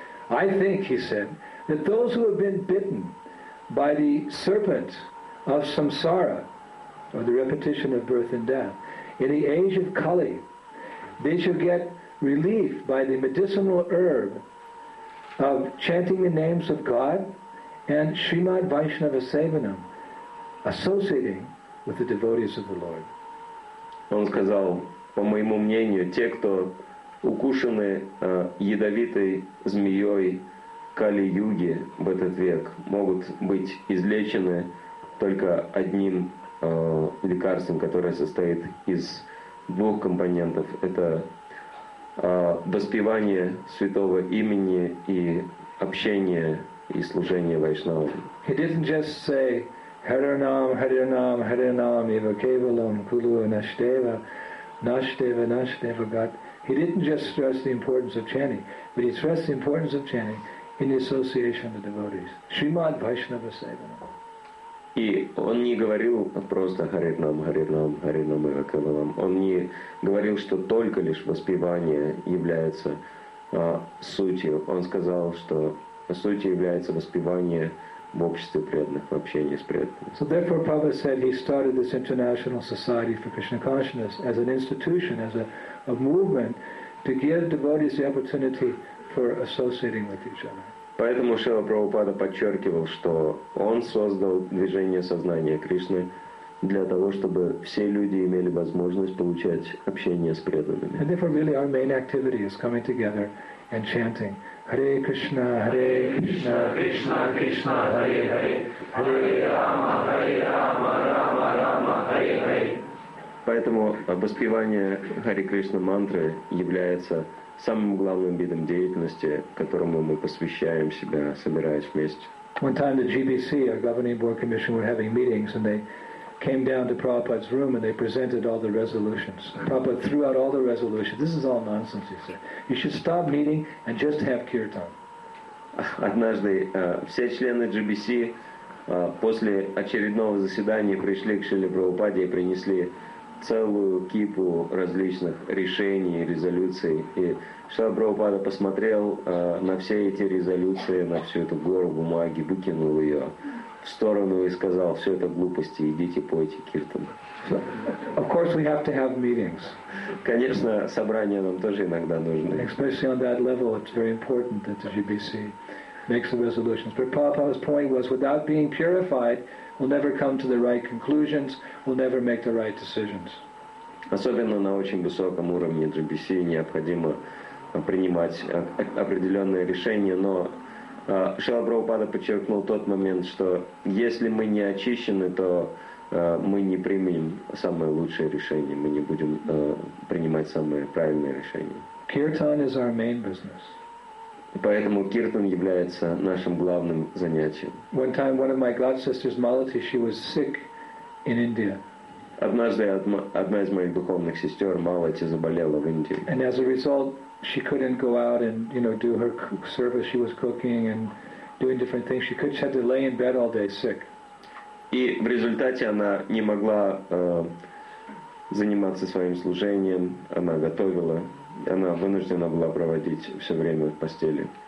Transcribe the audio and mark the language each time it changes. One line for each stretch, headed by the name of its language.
English: I think, he said, that those who have been bitten by the serpent of samsara, or the repetition of birth and death, in the age of Kali, they shall get relief by the medicinal herb of chanting the names of God and Srimad Vaishnava Sevanam, associating with the devotees of the Lord.
Russian: Он сказал: "По моему мнению, те, кто укушены ядовитой змеей Кали-юги в этот век, могут быть излечены только одним лекарством, которое состоит из 2 компонентов. Это воспевание святого имени и общение и служение вайшнавам."
English: He didn't just say
Sanskrit: Харинам, Харинам, Харинам, Ива Кевалам, Кулу Наштева, Наштева, Наштева Гат.
English: He didn't just stress the importance of chanting, but he stressed the importance of chanting in the association of the devotees.
Sanskrit: Srimad Vaishnava Sevanam.
Russian: И он не говорил просто Харинам, Харинам, Харинам и Вакавалам. Он не говорил, что только лишь воспевание является сутью. Он сказал, что сутью является воспевание в обществе преданных, в общении с преданными.
English: So therefore Prabhupada said he started this International Society for Krishna Consciousness as an institution, as a movement to give devotees the opportunity for associating with each other.
Russian: Поэтому Шрила Прабхупада подчеркивал, что он создал движение сознания Кришны для того, чтобы все люди имели возможность получать общение с преданными.
English: And therefore really our main activity is coming together and chanting Hare
Sanskrit: Krishna, Krishna Krishna, Hare Hare, Hare Rama, Hare Rama, Rama Rama, Hare Hare.
Russian: Поэтому воспевание Hare Krishna мантры является самым главным видом деятельности, которому мы посвящаем себя, собираясь вместе.
English: One time the GBC, our governing board commission, were having meetings and they came down to Prabhupada's room and they presented all the resolutions. Prabhupada threw out all the resolutions. This is all nonsense, he said. You should stop meeting and just have kirtan.
Russian: Однажды все члены GBC после очередного заседания пришли к Шриле Прабхупаде и принесли целую кипу различных решений, резолюций. И Шрила Прабхупада посмотрел на все эти резолюции, на всю эту гору бумаги, выкинул ее в сторону и сказал: «Все это глупости, идите пойте киртан».
English: Of course we have to have meetings.
Russian: Конечно, собрания нам тоже иногда нужны.
English: Especially on that level, it's very important that the GBC makes the resolutions. But Prabhupada's point was, without being purified, we'll never come to the right conclusions, we'll never make the right decisions.
Russian: Особенно на очень высоком уровне GBC необходимо принимать определенные решения, но Шрила Прабхупада подчеркнул тот момент, что если мы не очищены, то мы не примем самое лучшее решение, мы не будем принимать самое правильное решение.
English: Kirtan is our main business.
Russian: Поэтому киртан является нашим главным занятием.
English: One time one of my god sisters, Malati, she was sick in India.
Russian: Однажды одна из моих духовных сестер, Малати, заболела в Индии.
English: And as a result, she couldn't go out and, you know, do her service. She was cooking and doing different things. She couldn't, she had to lay in bed all day sick.
Russian: И в результате она не могла заниматься своим служением. Она готовила. Она вынуждена была проводить все время в постели.